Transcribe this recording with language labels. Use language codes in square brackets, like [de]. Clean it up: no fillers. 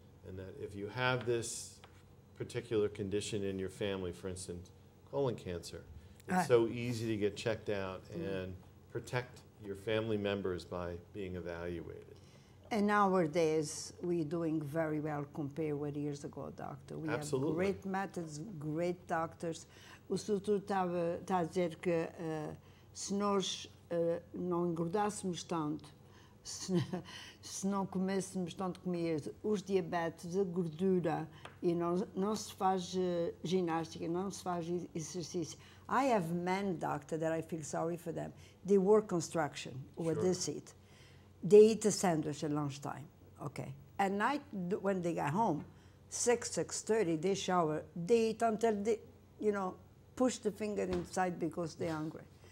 [en] And that if you have this particular condition in your family, for instance, colon cancer, it's so easy to get checked out and protect your family members by being evaluated. And nowadays, we're doing very well compared with years ago, doctor. We Absolutely. Have great methods, great doctors. [pt] O doutor estava a dizer que se nós não engordássemos tanto, se não comêssemos tanto comer os diabetes, a gordura, e não se faz ginástica, não se faz exercício. [en] I have men, doctor, that I feel sorry for them. They work construction, what sure. They eat. They eat a sandwich at lunchtime, okay. At night, when they get home, 6:30, they shower. They eat until they, push the finger inside because they're hungry.